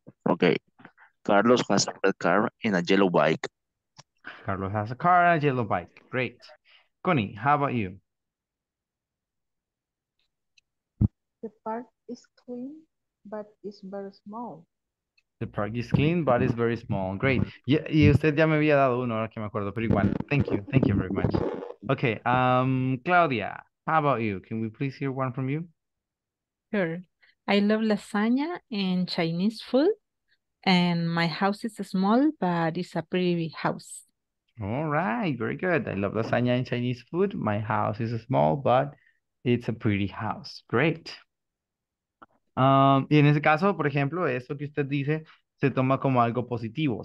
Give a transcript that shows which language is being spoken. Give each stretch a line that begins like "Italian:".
English: Okay, Carlos has a red car and a yellow bike. Carlos has a car and a yellow bike. Great. Connie, how about you? The park is clean, but it's very small. The park is clean, but it's very small. Great.
Spanish: Y usted ya me había dado uno, ahora que me acuerdo, pero igual.
English: Thank you. Thank you very much. Okay. Claudia, how about you? Can we please hear one from you? Sure. I love lasagna and Chinese food. And my house is small, but it's a pretty big house. All right, very good. I love lasagna and Chinese food. My house is small, but it's a pretty house. Great.
Spanish: Y en ese caso, por ejemplo, esto que usted dice se toma como algo positivo.